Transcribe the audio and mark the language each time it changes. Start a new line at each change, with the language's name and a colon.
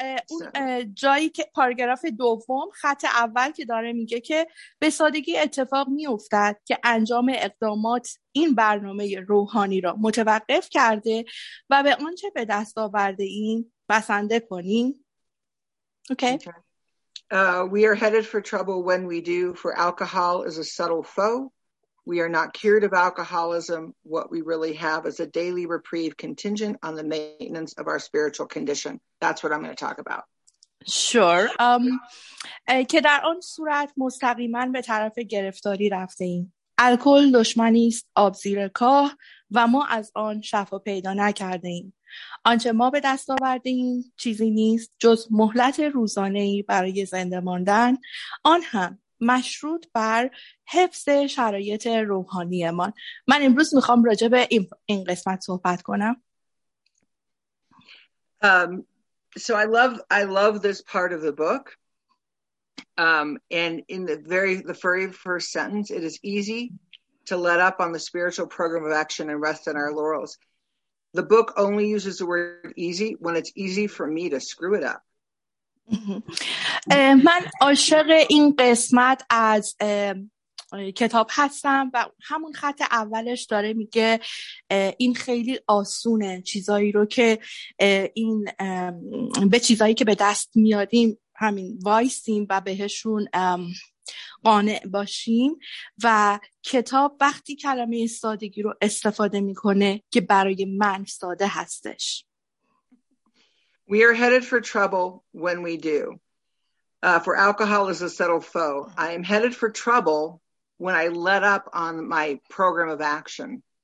Persian: اون جایی که پاراگراف دوم خط اول که داره میگه که به سادگی اتفاق میافتد که انجام اقدامات این برنامه روحانی را متوقف کرده و به آنچه به دست آورده این بسنده کنیم.
English: We are headed for trouble when we do, for alcohol is a subtle foe. We are not cured of alcoholism. What we really have is a daily reprieve contingent on the maintenance of our spiritual condition. That's what I'm going to talk about. Sure.
Persian: که در آن صورت مستقیماً به طرف گرفتاری رفته ایم. الکل دشمنی است آب زیر کاه و ما از آن شفا پیدا نکرده ایم. آنچه ما به دست آورده ایم چیزی نیست جز مهلت روزانه‌ای برای زنده ماندن، آن هم مشروط بر حفظ شرایط روحانی ما. من امروز میخوام راجع به این قسمت صحبت کنم.
English: So I love this part of the book. And in the very first sentence, it is easy to let up on the spiritual program of action and rest on our laurels. The book only uses the word easy when it's easy for me to screw it up.
Persian: من عاشق این قسمت از کتاب هستم و همون خط اولش داره میگه این خیلی آسونه چیزایی رو که این به چیزایی که به دست میادیم همین وایسیم و بهشون قانع باشیم و کتاب وقتی کلمه سادگی رو استفاده میکنه که برای من ساده هستش.
English: We are headed for trouble when we do. For alcohol is a subtle foe. I am headed for trouble when I let up on my program of action.